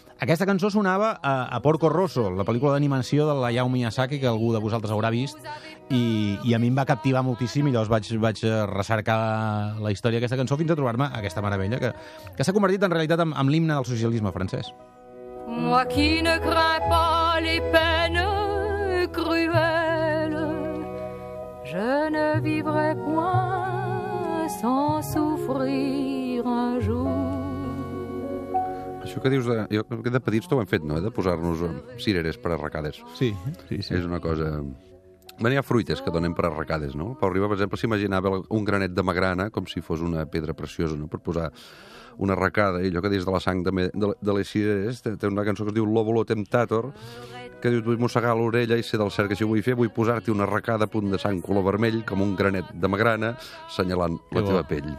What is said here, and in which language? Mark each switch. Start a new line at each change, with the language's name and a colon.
Catalan: Aquesta cançó sonava a Porco Rosso, la pel·lícula d'animació de l'Hayao Miyazaki, que algú de vosaltres haurà vist, i a mi em va captivar moltíssim, i llavors vaig recercar la història d'aquesta cançó fins a trobar-me aquesta meravella, que s'ha convertit en realitat en l'himne del socialisme francès.
French: Moi qui ne crains pas les peines cruelles, je ne vivrai point sans souffrir un jour.
Catalan: Això que dius, de petits t'ho hem fet, no? De posar-nos cireres per arracades. Sí, sí, sí. És una cosa... Bé, hi ha fruites que donem per arracades, no? Pau Riba, per exemple, s'imaginava un granet de magrana com si fos una pedra preciosa, no? Per posar una arracada. I allò que dius de la sang de les cireres, té una cançó que es diu L'Òvulo Temptator, que diu, vull mossegar l'orella i ser del cert que així ho vull fer, vull posar-t'hi una arracada a punt de sang color vermell com un granet de magrana senyalant la teva pell.